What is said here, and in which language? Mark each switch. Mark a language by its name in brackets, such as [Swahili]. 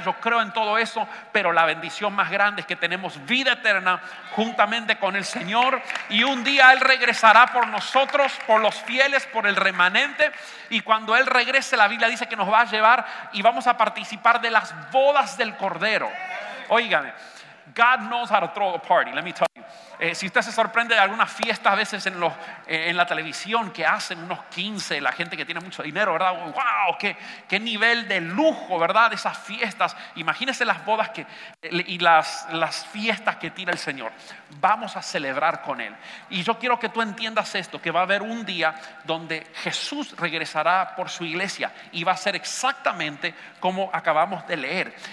[Spanish] Yo creo en todo eso. Pero la bendición más grande es que tenemos vida eterna juntamente con el Señor. Y un día Él regresará por nosotros, por los fieles, por el remanente. Y cuando Él regrese, la Biblia dice que nos va a llevar y vamos a participar de las bodas del Cordero. Óigame, [English] God knows how to throw a party, let me tell you. [Spanish] Si usted se sorprende de algunas fiestas a veces en la televisión que hacen unos 15, la gente que tiene mucho dinero, ¿verdad? ¡Wow! ¡Qué nivel de lujo, ¿verdad? Esas fiestas. Imagínese las bodas que, y las fiestas que tiene el Señor. Vamos a celebrar con Él. Y yo quiero que tú entiendas esto, que va a haber un día donde Jesús regresará por su iglesia y va a ser exactamente como acabamos de leer.